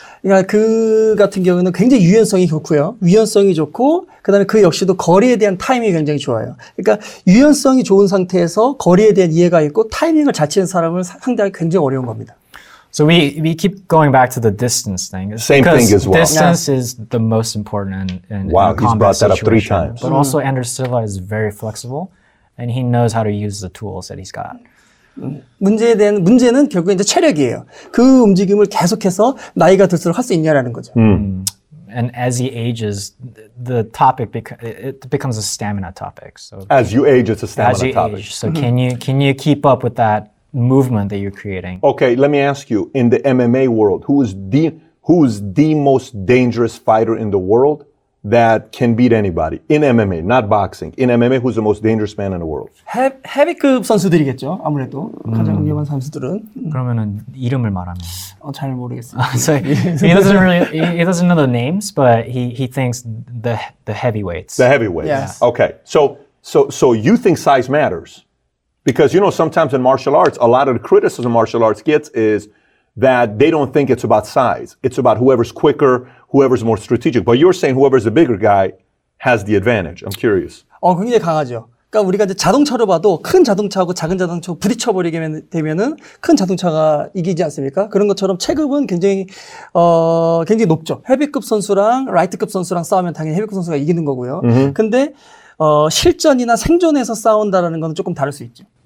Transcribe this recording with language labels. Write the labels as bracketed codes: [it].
[ko] 그러니까 그 같은 경우는 굉장히 유연성이 좋고요. 유연성이 좋고 그다음에 그 역시도 거리에 대한 타이밍이 굉장히 좋아요. 그러니까 유연성이 좋은 상태에서 거리에 대한 이해가 있고 타이밍을 잘 치는 사람을 상대하기 굉장히 어려운 겁니다. [en] So we keep going back to the distance thing. Same thing as well. Distance is the most important in combat situation. Wow, he's brought that up three times. But also Anderson Silva is very flexible and he knows how to use the tools that he's got. [ko] 문제는 결국 이제 체력이에요. 그 움직임을 계속해서 나이가 들수록 할 수 있냐라는 거죠. [en] And as he ages, the topic becomes a stamina topic. So as you age, it's a stamina topic. So can you keep up with that movement that you're creating? Okay, let me ask you: in the MMA world, who is the most dangerous fighter in the world that can beat anybody in MMA, not boxing. In MMA, who's the most dangerous man in the world? [ko] 헤비급 선수들이겠죠, 아무래도. 가장 위험한 선수들은. 그러면은 이름을 말하면. 잘 모르겠어요. [en] he doesn't know the names, but he thinks the heavyweights. The heavyweights. Yes. Okay, so you think size matters? Because, you know, sometimes in martial arts, a lot of the criticism martial arts gets is that they don't think it's about size. It's about whoever's quicker, whoever's more strategic. But you're saying whoever's the bigger guy has the advantage. I'm curious. [ko] 굉장히 강하죠. 그러니까 우리가 이제 자동차로 봐도 큰 자동차하고 작은 자동차하고 부딪혀버리게 되면은 큰 자동차가 이기지 않습니까? 그런 것처럼 체급은 굉장히 높죠. 헤비급 선수랑 라이트급 선수랑 싸우면 당연히 헤비급 선수가 이기는 거고요. 근데 실전이나 생존에서 싸운다라는 건 조금 다를 수 있죠.